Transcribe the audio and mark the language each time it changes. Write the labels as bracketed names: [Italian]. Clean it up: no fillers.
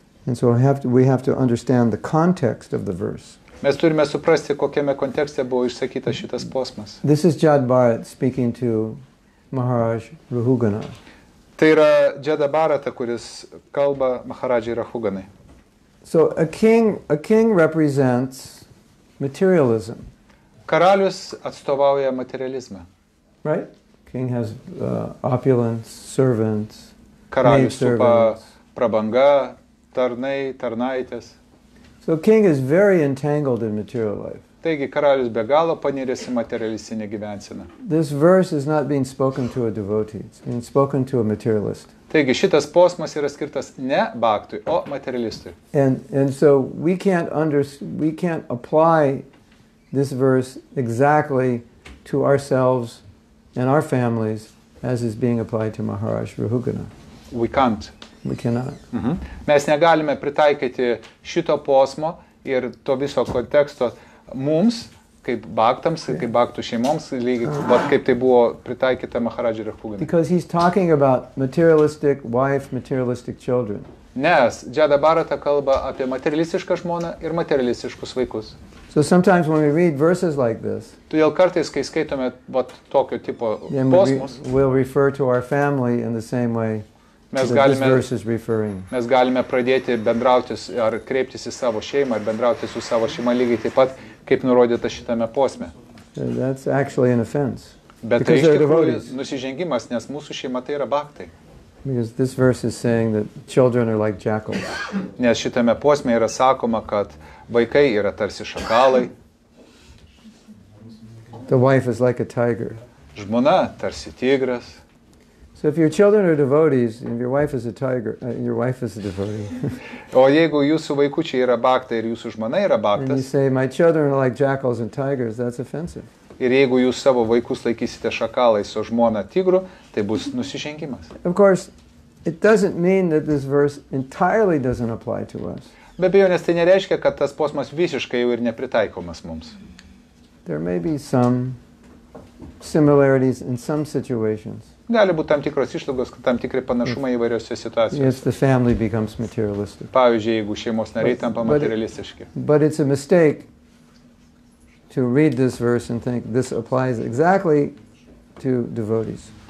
[English] And so we have to understand the context of the verse. [Lithuanian] Mes turime suprasti, kokiame kontekste buvo išsakytas šitas posmas. [English] This is Jad Bharat speaking to Maharaj Rahugana. [Lithuanian] Tai yra Jada Bharata, kuris kalba Maharajai Rahuganai. [English] So a king represents materialism. [Lithuanian] Karalius atstovauja materializmą. [English] Right? King has opulence, servants. [Lithuanian] Karalius supa prabanga, tarnai, tarnaitės. [English] So king is very entangled in material life. [Lithuanian] Taigi karalius be galo paniręs į materialistinę gyvenseną. [English] This verse is not being spoken to a devotee, it's being spoken to a materialist. [Lithuanian] Taigi šitas posmas yra skirtas ne baktui, o materialistui. [English] And so we can't apply this verse exactly to ourselves and our families as is being applied to Maharaj Rahugana. We can't. We cannot. Mm-hmm. [Lithuanian] Mes negalime pritaikyti šito posmo ir to viso konteksto mums, kaip baktams, kaip baktų šeimoms, lygiai, bet kaip tai buvo pritaikyta Maharadžiui Rahuganai. [English] Because he's talking about materialistic wife, materialistic children. [Lithuanian] Nes Jada Bharata kalba apie materialistišką žmoną ir materialistiškus vaikus. [English] So sometimes when we read verses like this, [Lithuanian] todėl kartais, kai skaitome vat, tokio tipo posmus, [English] we'll refer to our family in the same way. [Lithuanian] Mes galime pradėti bendrauti ar kreiptis į savo šeimą ar bendrauti su savo šeima lygiai taip pat, kaip nurodyta šitame posme. [English] That's actually an offense. [Lithuanian] Bet tai iš tikrųjų nusižengimas, nes mūsų šeima tai yra baktai. [English] Because this verse is saying that children are like jackals. [Lithuanian] Nes šitame posme yra sakoma, kad vaikai yra tarsi šakalai. [English] The wife is like a tiger. [Lithuanian] Žmona tarsi tigras. [English] So if your children are devotees and your wife is a tiger, your wife is a devotee. [Lithuanian] O jeigu jūsų vaikučiai yra baktai ir jūsų žmona yra baktas. [English] And you say my children are like jackals and tigers, that's offensive. [Lithuanian] Ir jeigu jūs savo vaikus laikysite šakalais, o žmona tigru, tai bus nusižengimas. [English] Of course, it doesn't mean that this verse entirely doesn't apply to us. [Lithuanian] Be abejo, nes tai nereiškia, kad tas posmas visiškai jau ir nepritaikomas mums. [English] There may be some similarities in some situations. [Lithuanian] Gali būti tam tikros išlaugos, tam tikri panašumai įvairiose situacijose. [English] Yes, the family becomes materialistic. [Lithuanian] Pavyzdžiui, jeigu šeimos nariai tampa materialistiški. [English] But it's a mistake to read this verse and think this applies exactly to devotees.